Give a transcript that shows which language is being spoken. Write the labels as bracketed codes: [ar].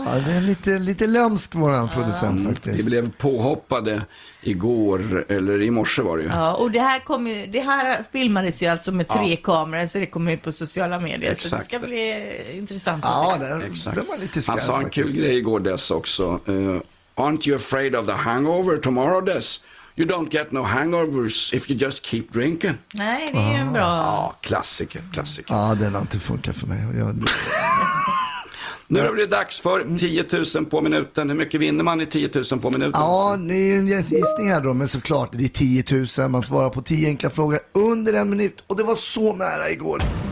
[sv] Ja, det är lite lömsk våran producent. Vi blev påhoppade igår, eller i morse var det ju. Ja, och det här filmades ju alltså med tre kameror, så det kommer ut på sociala medier. Exakt. Så det ska bli intressant att se. Det var lite skärm. Han sa en kul grej igår, Dess, också. [en] Aren't you afraid of the hangover tomorrow, Dess? You don't get no hangovers if you just keep drinking. [sv] Nej, det är ju en bra... Ja, klassiker. Ja, det har inte funkat för mig. Nu är det dags för 10 000 på minuten. Hur mycket vinner man i 10 000 på minuten? Ja, det är ju en gissning här då. Men såklart, det är 10 000. Man svarar på 10 enkla frågor under en minut. Och det var så nära igår.